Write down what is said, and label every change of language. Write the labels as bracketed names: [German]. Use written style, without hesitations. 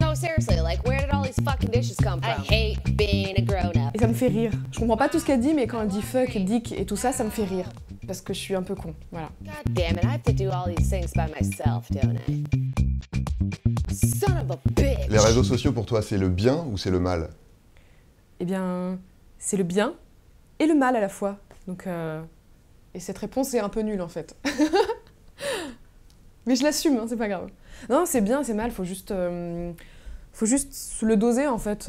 [English] No, seriously, like, where did all these fucking dishes come from? I hate being a grown-up. [French] Et ça me fait rire. Je comprends pas tout ce qu'elle dit, mais quand elle dit fuck, dick et tout ça, ça me fait rire. Parce que je suis un peu con, voilà. [English] God damn it, I have to do all these things by myself, don't I? Son of a bitch! [French] Les réseaux sociaux, pour toi, c'est le bien ou c'est le mal? Eh bien, c'est le bien et le mal à la fois. Donc, et cette réponse est un peu nulle en fait. Mais je l'assume, hein, c'est pas grave. Non, c'est bien, c'est mal, faut juste le doser en fait.